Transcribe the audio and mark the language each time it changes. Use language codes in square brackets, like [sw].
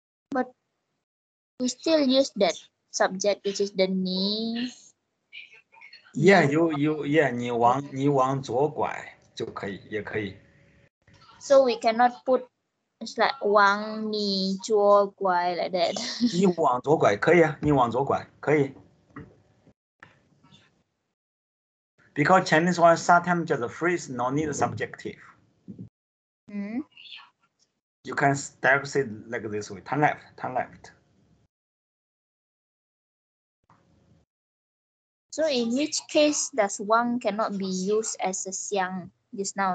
[en] But we still use that subject, which is the knee. Yeah, yeah, [zh] 你往左拐就可以，也可以. [en] So we cannot put, it's like [zh] 往你左拐 [en] like that. [zh] 你往左拐可以啊，你往左拐可以. [en] Because Chinese one sometimes just a phrase, no need subjective. You can direct say like this way, turn left, turn left. So in which case does 望 cannot be used as a 向 just now?